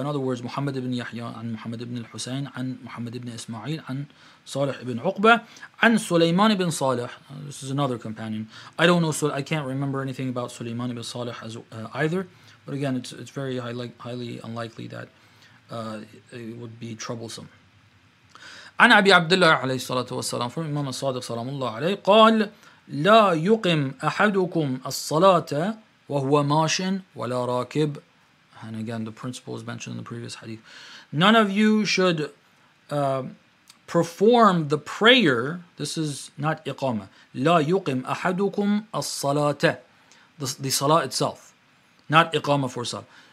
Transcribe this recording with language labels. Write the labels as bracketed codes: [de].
[en] In other words, Muhammad ibn Yahya and Muhammad ibn al-Husayn and Muhammad ibn Ismail and Salih ibn Uqbah and Sulaiman ibn Salih. This is another companion. I don't know, I can't remember anything about Sulaiman ibn Salih as, either. But again, it's very highly unlikely that it would be troublesome. [ar] عن أبي عبد الله عليه الصلاة والسلام [en] from Imam al-Sadiq [ar] صلى الله عليه قال لا يقم أحدكم الصلاة وهو ماش ولا راكب. [en] And again, the principle is mentioned in the previous hadith. None of you should perform the prayer. This is not [ar] إقامة. لا يقم أحدكم الصلاة. [en] The salah itself. Not iqama for salah.